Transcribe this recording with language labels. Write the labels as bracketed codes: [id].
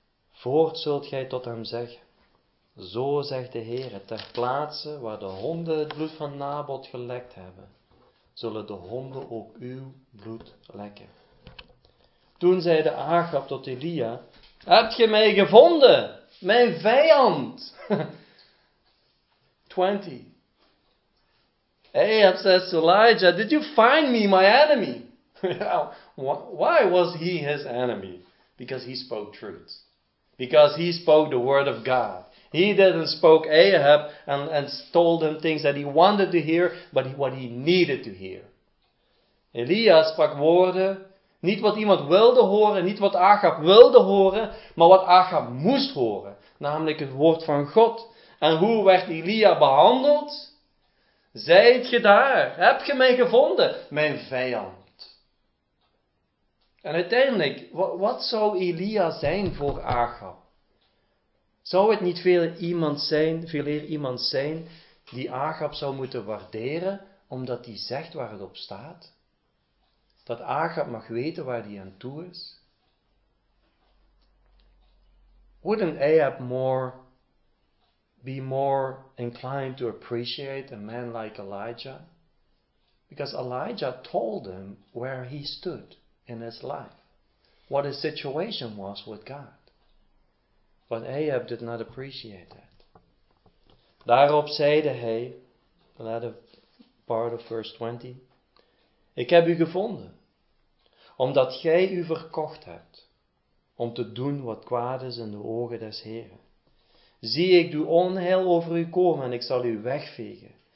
[nl] Voort zult gij tot hem zeggen, zo zegt de Heere, ter plaatse waar de honden het bloed van Naboth gelekt hebben, zullen de honden ook uw bloed lekken. Toen zeide Achab tot Elia, hebt ge mij gevonden, mijn vijand? 20. [en] Ahab says to Elijah, did you find me, my enemy? Why was he his enemy? Because he spoke truth. Because he spoke the word of God. He didn't spoke Ahab and told him things that he wanted to hear, but what he needed to hear. [nl] Elia sprak woorden, niet wat iemand wilde horen, niet wat Achab wilde horen, maar wat Achab moest horen. Namelijk het woord van God. En hoe werd Elia behandeld? Zijt ge daar? Heb ge mij gevonden? Mijn vijand. En uiteindelijk, wat zou Elia zijn voor Achab? Zou het niet veel eer iemand zijn die Achab zou moeten waarderen, omdat hij zegt waar het op staat? Dat Achab mag weten waar hij aan toe is? [en] Wouldn't Ahab be more inclined to appreciate a man like Elijah? Because Elijah told him where he stood in his life, what his situation was with God. But Ahab did not appreciate that. [nl] Daarop zeide hij, [en] the latter part of verse 20, [nl] ik heb u gevonden, omdat gij u verkocht hebt, om te doen wat kwaad is in de ogen des Heren. Zie, ik doe onheil over u komen en ik zal u wegvegen.